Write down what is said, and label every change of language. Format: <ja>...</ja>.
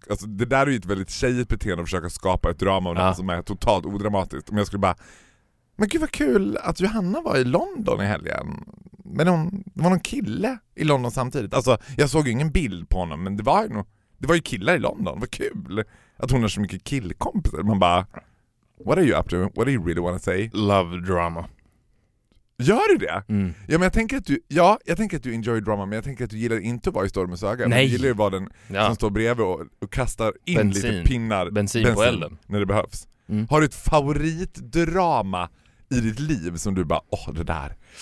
<sv>Alltså, det där är ju ett väldigt tjejigt beteende att försöka skapa ett drama av något som är totalt odramatiskt. Men jag skulle bara... Men gud vad kul att Johanna var i London i helgen. Men hon var någon kille i London samtidigt. Alltså jag såg ju ingen bild på honom. Men det var ju killar i London. Vad kul att hon har så mycket killkompisar. Man bara,</sv> <en>what are you up to? What do you really want to say? Love drama.</en> <sv>Gör du det? Ja, men jag tänker att du</sv> <en>enjoy drama.</en> <sv>Men jag tänker att du gillar inte att vara i stormens öga. Nej. Du gillar ju vara den som står bredvid och kastar in bensin. Lite pinnar. Bensin på elden. När det behövs. Har du ett favoritdrama i ditt liv som du bara, åh, det där.</sv>